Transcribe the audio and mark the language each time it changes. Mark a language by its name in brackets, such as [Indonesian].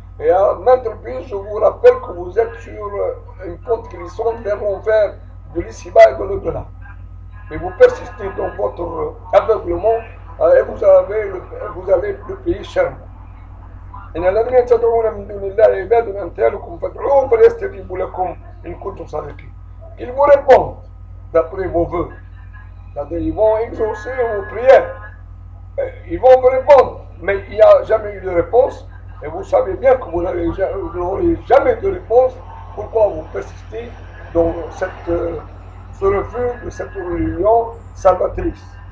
[French] Et à maintes reprises, je vous rappelle que vous êtes sur une pente glissante vers l'enfer, de l'ici-bas et de l'au-delà. Et vous persistez dans votre aveuglement et vous avez le pays cher. [Arabic] إن الذين تدعون من دون الله عباد أمثالكم فادعوهم فليستجيبوا لكم إن كنتم صادقين. [French] Ils vous répondent d'après vos vœux. C'est-à-dire, ils vont exaucer vos prières. Ils vont vous répondre, mais il n'y a jamais eu de réponse. Et vous savez bien que vous n'aurez jamais de réponse. Pourquoi vous persistez dans ce refus de cette religion salvatrice?